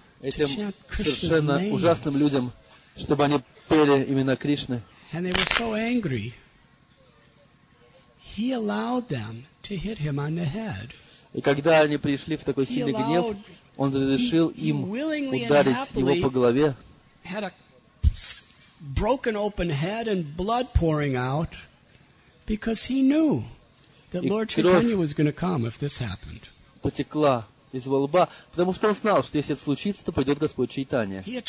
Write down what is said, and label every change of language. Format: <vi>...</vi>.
<ru>этим совершенно ужасным людям, чтобы они пели имена Кришны.</ru> <en>And they were so angry, he allowed them to hit him on the head.</en> <ru>И когда они пришли в такой сильный гнев, он разрешил им ударить его по голове.</ru> <en>Had a broken open head and blood pouring out because he knew that Lord Chaitanya was going to come if this happened.</en> <ru>Потекла из его лба, потому что он знал, что если это случится, то придет Господь Чайтанья.</ru>